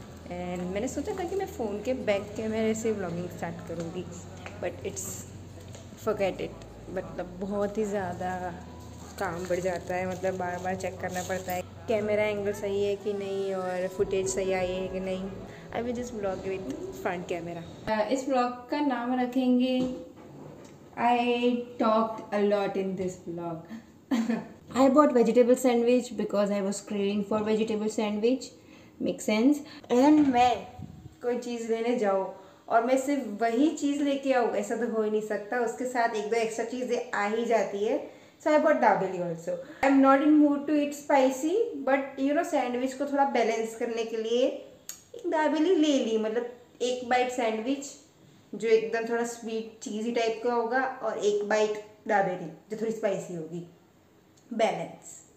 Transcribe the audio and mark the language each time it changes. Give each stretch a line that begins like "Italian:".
Hindi: And मैंने सोचा था कि मैं फ़ोन के बैग के मेरे से ब्लॉगिंग स्टार्ट करूँगी,
English: But it's forget it.
Hindi: मतलब बहुत ही ज़्यादा काम बढ़ जाता है, मतलब बार बार चेक करना पड़ता है कैमरा एंगल सही है कि नहीं और फुटेज सही आई है कि नहीं।
English: I will just blog with front camera.
Hindi: इस ब्लॉग का नाम रखेंगे
English: I talked a lot in this vlog. I bought vegetable sandwich because I was craving for vegetable sandwich. Makes sense. And
Hindi: मैं कोई चीज़ लेने जाऊँ और मैं सिर्फ वही चीज़ लेके आऊँ, ऐसा तो हो ही नहीं सकता, उसके साथ एक दो एक्स्ट्रा चीज़ें आ ही जाती है।
English: So I bought dabeli also. I am not in mood to eat spicy, but you know
Hindi: sandwich को थोड़ा बैलेंस करने के लिए एक दाबेली ले ली, मतलब एक बाइट सैंडविच जो एकदम थोड़ा स्वीट चीज़ी टाइप का होगा और एक बाइट दाबेली जो थोड़ी स्पाइसी होगी, बैलेंस।